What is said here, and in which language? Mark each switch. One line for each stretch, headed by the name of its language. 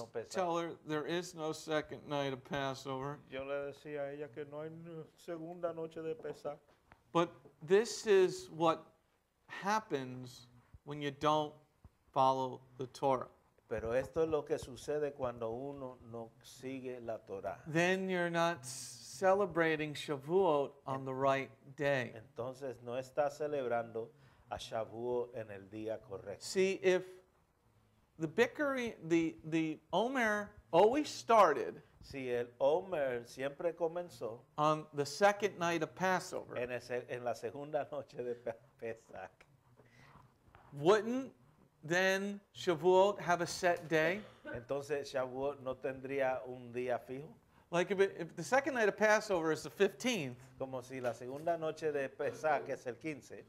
English: Tell her there is no second night of Passover.
Spanish: Yo le decía a ella que no hay segunda noche de Pesaj.
English: But this is what happens when you don't follow the Torah.
Spanish: Pero esto es lo que sucede cuando uno no sigue la Torah.
English: Then you're not celebrating Shavuot on the right day.
Spanish: Entonces no está celebrando a Shavuot en el día correcto.
English: See, if the bickering, the Omer always started.
Spanish: Si el Omer siempre comenzó
English: on the second night of Passover,
Spanish: en la segunda noche de Pesach,
English: wouldn't then Shavuot have a set day?
Spanish: Entonces Shavuot no tendría un día fijo.
English: Like if the second night of Passover is the 15th,
Spanish: como si la segunda noche de Pesach es el 15,